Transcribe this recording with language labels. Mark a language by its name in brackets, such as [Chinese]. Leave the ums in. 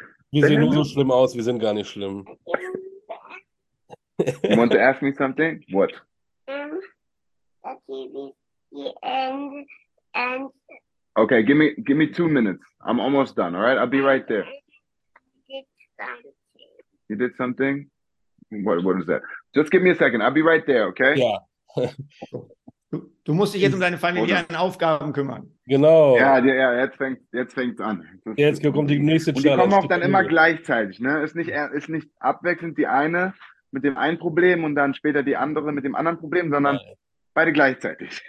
[German] Wir sehen nur so schlimm aus, wir sind gar nicht schlimm. [English] You want to ask me something? What? Um, that TV and and Okay, give me give me two minutes. I'm almost done, all right? I'll be right there. It's something. You did something? What what is that? Just give me a second. I'll be right there, okay? [German] Ja, Du, du musst dich jetzt um deine familiären Aufgaben kümmern. genau. Ja, ja, ja, jetzt fängt jetzt fängt's an. Das- Jetzt kommt die nächste Und die kommen auch Challenge. dann immer gleichzeitig, ne? Ist nicht ist nicht abwechselnd die eine mit dem einen Problem und dann später die andere mit dem anderen Problem, sondern beide gleichzeitig.